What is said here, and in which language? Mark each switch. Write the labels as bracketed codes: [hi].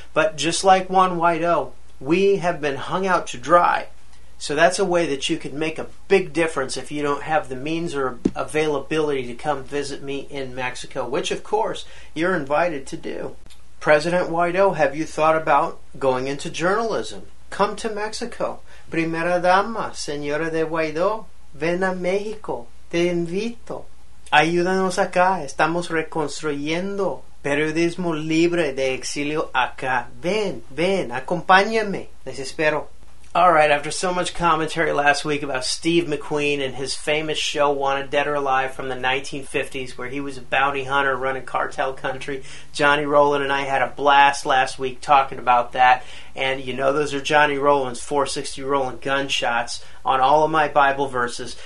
[en] But just like Juan Guaido, we have been hung out to dry. So that's a way that you can make a big difference if you don't have the means or availability to come visit me in Mexico, which, of course, you're invited to do. President Guaido, have you thought about going into journalism? Come to Mexico. [es] Primera Dama, Señora de Guaido, ven a México. Te invito. Ayúdanos acá. Estamos reconstruyendo periodismo libre de exilio acá. Ven, ven, acompáñame. Les espero. [en] All right, after so much commentary last week about Steve McQueen and his famous show Wanted Dead or Alive from the 1950s, where he was a bounty hunter running cartel country, Johnny Rowland and I had a blast last week talking about that. And you know those are Johnny Rowland's 460 Rowland gunshots on all of my Bible verses.